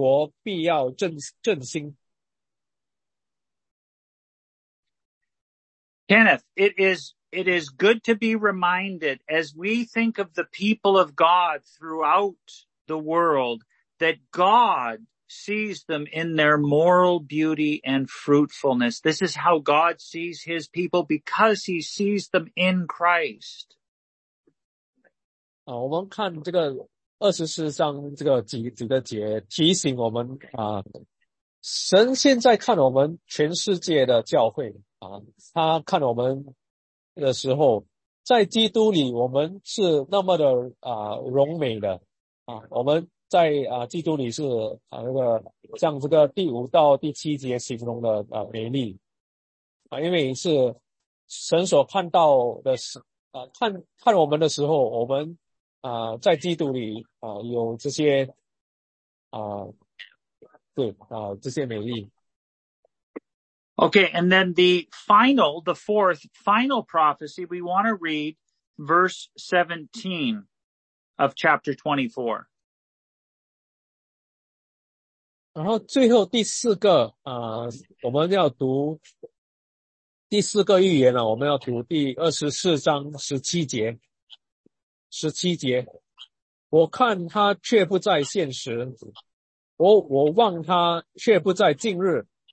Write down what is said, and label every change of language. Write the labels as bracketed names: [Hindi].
[Chinese] 如河旁的院子，如耶和华所栽的沉香树，如水边的香柏树，香柏木，水要从他的桶里流出，种子要撒在多水之处，他的王必超过亚家，他的国必要振兴。 [English] Kenneth, it is good to be reminded as we think of the people of God throughout the world that God sees them in their moral beauty and fruitfulness. This is how God sees his people, because he sees them in Christ. [Chinese] 啊，我们看这个二十四章这个几个节提醒我们啊，神现在看我们全世界的教会啊，他看我们的时候，在基督里我们是那么的啊荣美的啊，我们在啊基督里是啊那个像这个第五到第七节形容的啊美丽啊，因为是神所看到的啊看我们的时候，我们啊，在基督里啊，有这些啊，对啊，这些美丽。 [English] Okay, and then the fourth final prophecy, we want to read verse 17 of chapter 24. [Chinese] 然后最后第四个啊，我们要读第四个预言了，我们要读第24章17节。 17节，我看他却不在现时，我望他却不在近日。